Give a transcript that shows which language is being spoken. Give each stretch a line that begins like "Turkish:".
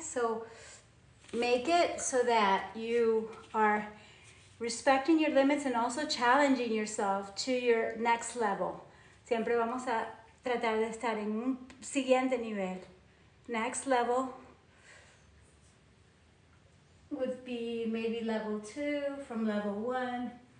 English: So make it so that you are respecting your limits and also challenging yourself to your next level.
Spanish: Siempre vamos a tratar de estar en un siguiente nivel.
English: Next level would be maybe level 2 from level 1.